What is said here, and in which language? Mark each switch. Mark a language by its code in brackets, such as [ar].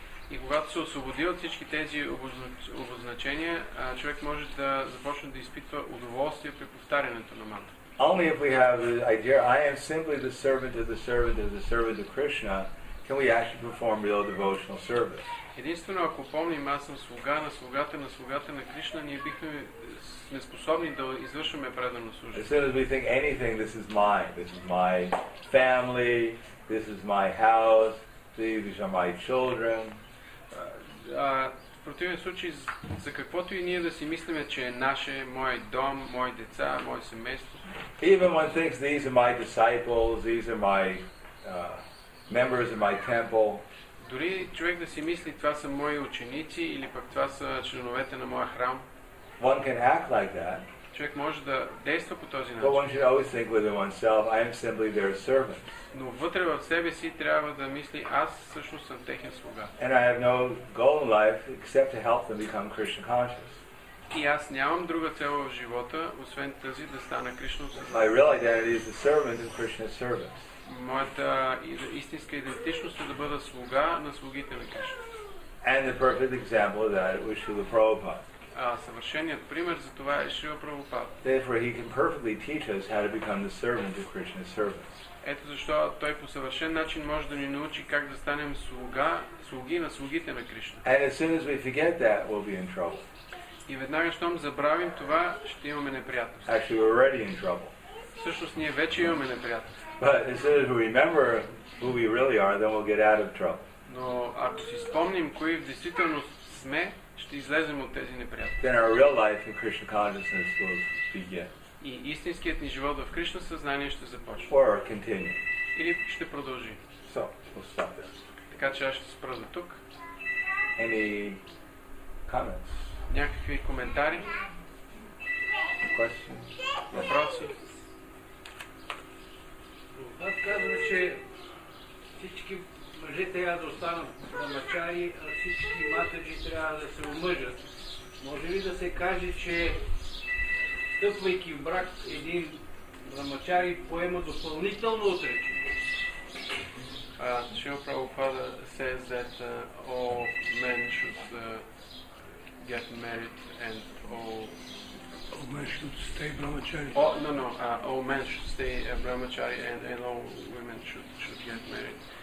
[bg] И когато се освободи от всички тези обозначения, човек може да започне да изпитва удоволствие при повтарянето на мантра. [en] Only if we have the idea, I am simply the servant of the servant of the servant of Krishna, can we actually perform real devotional service. [bg] Единствено, ако помним, аз съм слуга на слугата на слугата на Кришна, ние бихме сме способни да извършваме предано служение. [en] Instead of we think anything, this is my family, this is my house, these are my children. [bg] В противен случай, за каквото и ние да си мислим, че е наше, мой дом, мои деца, мое семейство. [en] Even one thinks these are my disciples, these are my members of my temple. [bg] Дори човек да си мисли, това са мои ученици или пък това са членовете на моя храм. [en] One can act like that. [bg] Човек може да действа по този начин. [en] But one should always think within oneself, I am simply their servant. [bg] Но вътре в себе си трябва да мисли, аз всъщност съм техен слуга. [en] And I have no goal in life except to help them become Krishna conscious. [bg] И аз нямам друга цел в живота, освен тази да стана Кришна осъзнат. [en] My real identity is a servant and Krishna's servant. [bg] Моята истинска идентичност е да бъда слуга на слугите на Кришна. [en] And the perfect example of that was Srila Prabhupada. [bg] А съвършеният пример за това е Шрила Прабхупада. [en] Therefore he can perfectly teach us how to become the servant of Krishna's servants. [bg] Ето защо той по съвършен начин може да ни научи как да станем слуга, слуги на слугите на Кришна. [en] And as soon as we forget that, we'll be in trouble. [bg] И веднага щом забравим това, ще имаме неприятност. [en] Actually, we're already in trouble. [bg] Всъщност ние вече имаме неприятност. [en] But as soon as we remember who we really are, then we'll get out of trouble. [bg] Но ако си спомним кои в действителност сме, ще излезем от тези неприятности. [en] Then our real life in Krishna consciousness will begin. [bg] И истинският ни живот в Кришна съзнание ще започне. [en] Or continue. [bg] Или ще продължи. [en] So, we'll stop there. [bg] Така че аз ще спра до тук. [en] Any comments? [bg] Някакви коментари? [en] Questions? [bg] Въпроси? Аз казвам, че всички мъже трябва да останат брамачари, а всички матъджи трябва да се омъжат. Може ли да се каже, че стъпвайки в брак, един брамачари поема допълнително отречение? [en] Шрила Прабхупада says that all men should get married and all men should stay brahmachari. Oh, no, no. All men should stay brahmachari and all women should get married.